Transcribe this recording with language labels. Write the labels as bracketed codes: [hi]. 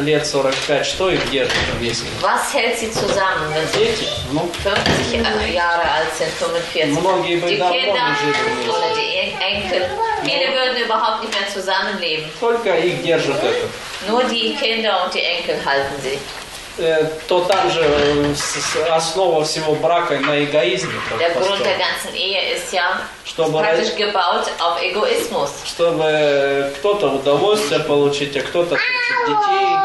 [ru] лет, 45, что их держит вместе? [de] Was hält sie zusammen? [ru] Дети? [de] Ну, 50 Jahre alt sind, 45. [ru] Многие бы давно не жили вместе. [de] Die Enkel. Viele würden überhaupt nicht mehr zusammenleben. [ru] Только их держит это. [de] Nur die Kinder und die Enkel halten sie. [ru] То там же основа всего брака на эгоизме. [de] Der Grund der ganzen Ehe ist ja praktisch gebaut auf Egoismus. [ru] Чтобы кто-то удовольствие получить, а кто-то хочет детей.